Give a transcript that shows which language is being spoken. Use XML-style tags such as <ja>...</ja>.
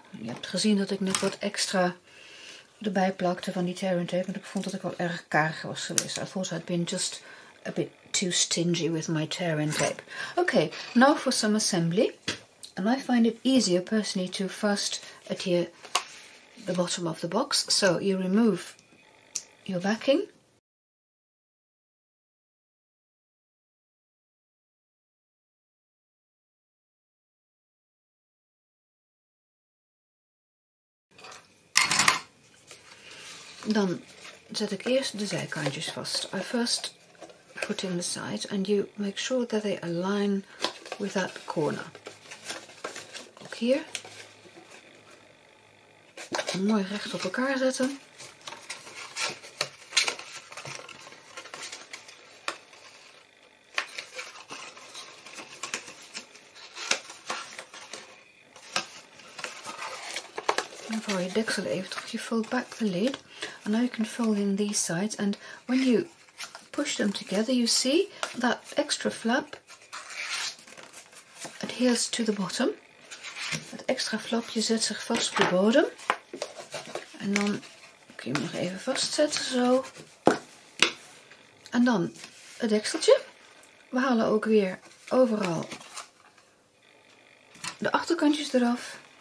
<nl>Je hebt gezien dat ik net wat extra erbij plakte van die tear and tape. Want ik vond dat ik wel erg karig was geweest.</nl> <en>I thought I'd been just a bit too stingy with my tear and tape. Okay, now for some assembly. And I find it easier personally to first adhere the bottom of the box. So you remove your backing.</en> <nl>Dan zet ik eerst de zijkantjes vast.</nl> <en>I first put in the side and you make sure that they align with that corner.</en> <nl>Ook hier. Mooi recht op elkaar zetten. En voor je deksel even terug, je</nl> <en>fold back the lid. And now you can fold in these sides, and when you push them together, you see that extra flap adheres to the bottom.</en> <nl>Het extra flapje zet zich vast op de bodem. En dan kun je hem nog even vastzetten, zo. En dan het dekseltje. We halen ook weer overal de achterkantjes eraf.</nl>